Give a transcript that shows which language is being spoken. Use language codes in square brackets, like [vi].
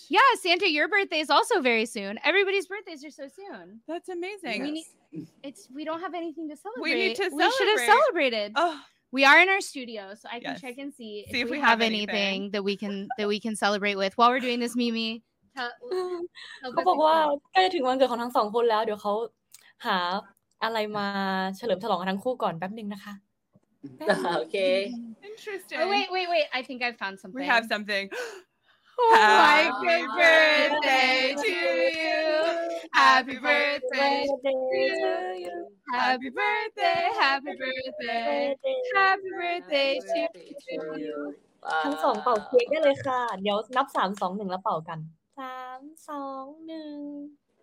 [en] Yeah, Santa, your birthday is also very soon. Everybody's birthdays are so soon. That's amazing. Yes. We don't have anything to celebrate. We need to celebrate. We should have celebrated. Oh. We are in our studio, so I can yes. check and see if we have anything that we can celebrate with while we're doing this, Mimi. [th] เขาบอกว่าใกล้จะถึงวันเกิดของทั้งสองคนแล้วเดี๋ยวเขาหาอะไรมาเฉลิมฉลองทั้งคู่ก่อนแป๊บนึงนะคะ [en] Okay. Interesting. Oh, wait. I think I've found something. We have something. Happy birthday to you. Happy birthday to you. Happy birthday, happy birthday. Happy birthday to you. [th] ทั้งสองเป่าเค้กได้เลยค่ะเดี๋ยวนับ3 2 1แล้วเป่ากัน3 2 1